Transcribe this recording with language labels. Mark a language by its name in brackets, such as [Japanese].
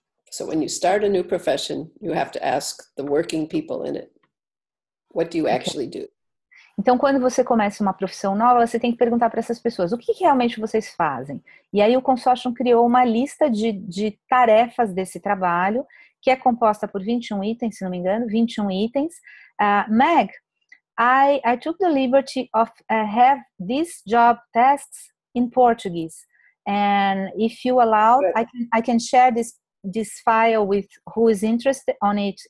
[English] So when you start a new profession, you have to ask the working people in it, what do you actually do? [Portuguese] Então, quando você começa uma profissão nova, você tem que perguntar para essas pessoas, o que realmente vocês fazem? E aí o consórcio criou uma lista de tarefas desse trabalho, que é composta por 21 itens, se não me engano, 21 itens. [English] Meg, I took the liberty of have these job tasks in Portuguese. And if you allow, I can share this file with who is interested on it.